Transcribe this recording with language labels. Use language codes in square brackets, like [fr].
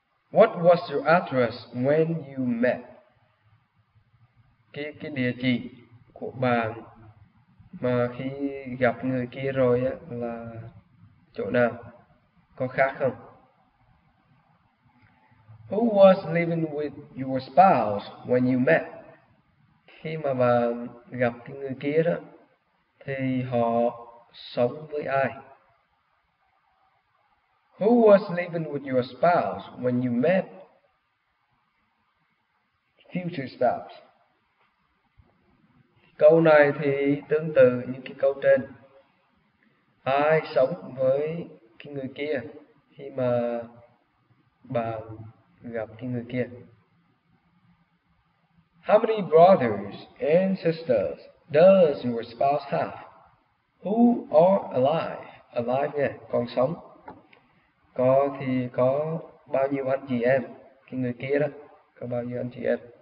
[en] What was your address when you met? [vi] Cái địa chỉ của bạn mà khi gặp người kia rồi á là chỗ nào? Có khác không? [en] Who was living with your spouse when you met? [vi] Khi mà bạn gặp cái người kia đó thì họ sống với ai? [en] Who was living with your spouse when you met? Future spouse. [vi] Câu này thì tương tự như cái câu trên. Ai sống với cái người kia khi mà bạn gặp cái người kia? [en] How many brothers and sisters does your spouse have? Who are alive? Alive [vi] nha, còn sống. Có thì có bao nhiêu anh chị em? Cái người kia đó, có bao nhiêu anh chị em?